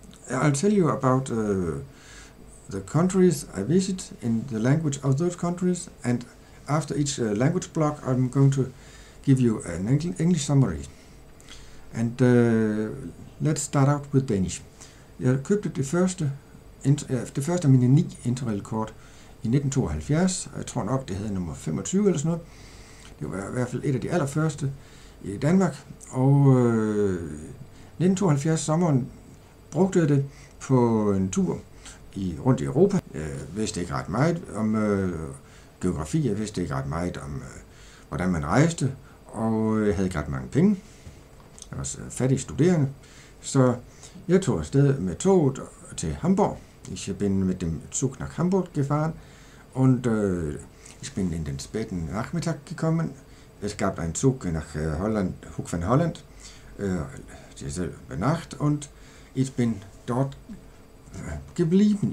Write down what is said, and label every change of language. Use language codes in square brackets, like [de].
[en] I'll tell you about the countries I visit in the language of those countries, and after each language block I'm going to give you an English summary. And let's start out with Danish. [da] Jeg købte det første af mine 9 Interrail kort i 1972. Jeg tror nok det hedder nummer 25 eller sådan noget. Det var i hvert fald et af de allerførste i Danmark, og 1972 sommeren brugte jeg det på en tur rundt i Europa. Jeg vidste ikke ret meget om geografi, jeg vidste ikke ret meget om, hvordan man rejste, og jeg havde ikke ret mange penge. Jeg var fattig studerende, så jeg tog afsted med toget til Hamburg. [de] Ich bin mit dem Zug nach Hamburg gefahren, und ich bin in den späten Nachmittag gekommen. Es gab einen Zug nach Holland, Hoek van Holland, dieselbe Nacht, und ich bin dort geblieben.